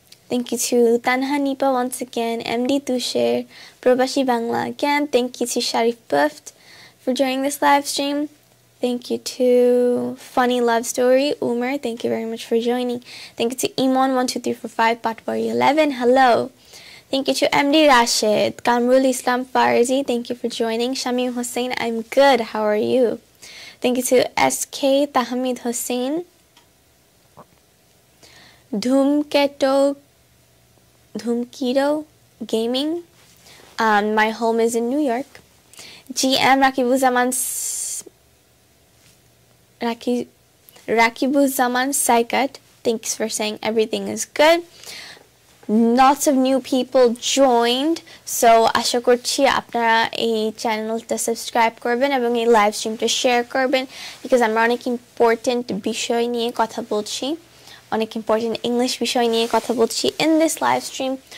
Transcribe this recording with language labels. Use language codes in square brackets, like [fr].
[en] Thank you to Tanha Nipa once again, M D Tusher, প্রবাসী Bangla again. Thank you to Sharif পফট for joining this live stream. Thank you to Funny Love Story Umar, thank you very much for joining. Thank you to Iman 12345 Patwari 11, hello. Thank you to MD Rashid, Kamrul Islam Farzi, thank you for joining. Shamim Hussain, I'm good, how are you? Thank you to SK Tahmid Hussain, Dhumkido Gaming, my home is in New York. GM Rakibuzaman Saikat, thanks for saying everything is good. Lots of new people joined, so [bn] আশা করছি আপনারা এই চ্যানেলটা subscribe করবেন এবং এই live স্ট্রিমটা share করবেন, because আমরা অনেক ইম্পর্টেন্ট বিষয় নিয়ে কথা বলছি, অনেক ইম্পর্টেন্ট ইংলিশ বিষয় নিয়ে কথা বলছি [en] In this live stream.